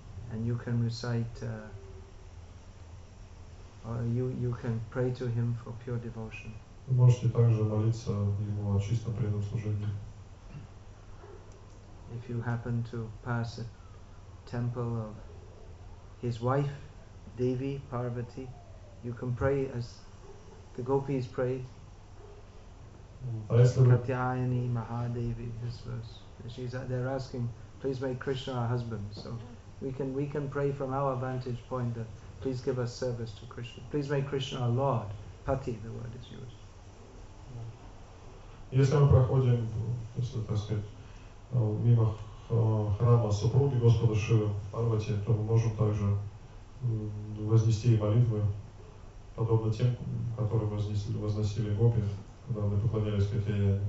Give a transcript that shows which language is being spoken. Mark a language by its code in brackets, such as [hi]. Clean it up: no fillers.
[en] And you can recite, or you can pray to him for pure devotion. [ru] Вы можете также молиться ему о чистом преданном служении. [en] If you happen to pass a temple of his wife, Devi Parvati, you can pray as the gopis prayed. Katyayani Mahadevi, this verse. They're asking, please make Krishna our husband. So we can pray from our vantage point that please give us service to Krishna. Please make Krishna our Lord. Pati, the word is used. [ru] Если мы проходим, если, так сказать, мимо храма супруги Господа Шивы Парвати, то мы можем также вознести молитвы, подобно тем, которые возносили гопи, когда мы поклонялись Катьяне.